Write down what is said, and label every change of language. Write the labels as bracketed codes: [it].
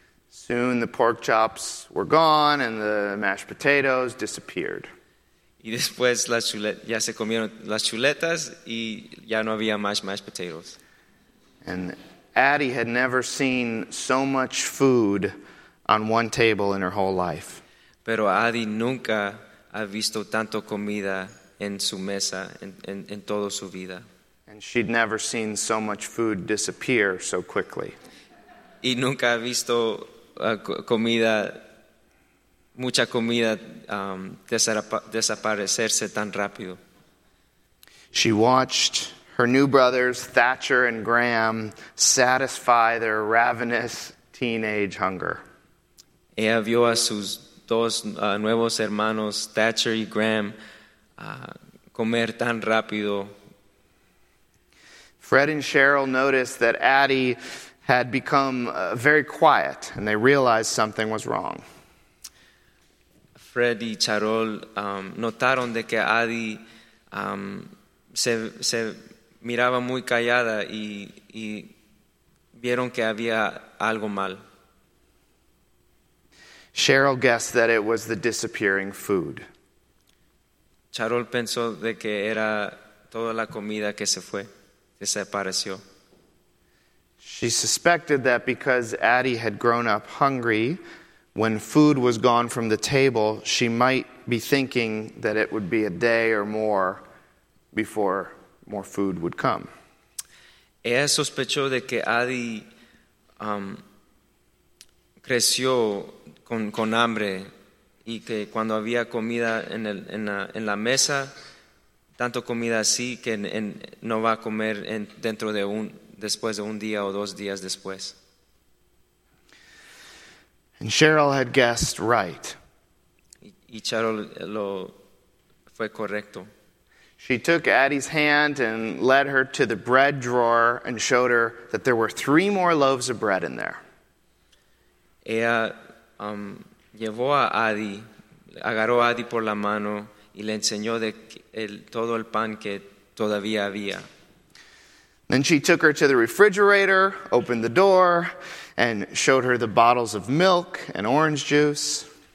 [en] Soon the pork chops were gone and the mashed potatoes disappeared. [es] Y después ya se comieron las chuletas y ya no había más [en] mashed potatoes. And Addie had never seen so much food on one table in her whole life. [es] Pero Addie nunca ha visto tanto comida en su mesa en toda su vida. [en] And she'd never seen so much food disappear so quickly. [es] Y nunca ha visto comida, mucha comida desaparecerse tan rápido. [en] She watched her new brothers, Thatcher and Graham, satisfy their ravenous teenage hunger. [es] Ella vio a sus dos nuevos hermanos, Thatcher y Graham, comer tan rápido. [en] Fred and Cheryl noticed that Addie had become very quiet, and they realized something was wrong. [es] Fred y Cheryl notaron de que Addie se miraba muy callada y vieron que había algo mal. [en] Cheryl guessed that it was the disappearing food. [es] Cheryl pensó de que era toda la comida que se fue, que se apareció. [en] She suspected that because Addie had grown up hungry, when food was gone from the table, she might be thinking that it would be a day or more before more food would come. [es] Ella sospechó de que Adi creció con hambre, y que cuando había comida en la mesa, tanto comida así que no va a comer después de un día o dos días después. [en] And Cheryl had guessed right. [es] Y Cheryl lo fue correcto. [en] She took Addie's hand and led her to the bread drawer and showed her that there were 3 more loaves of bread in there. [es] Ella llevó a Addie, agarró a Addie por la mano y le enseñó todo el pan que todavía había. [en] Then she took her to the refrigerator, opened the door, and showed her the bottles of milk and orange juice.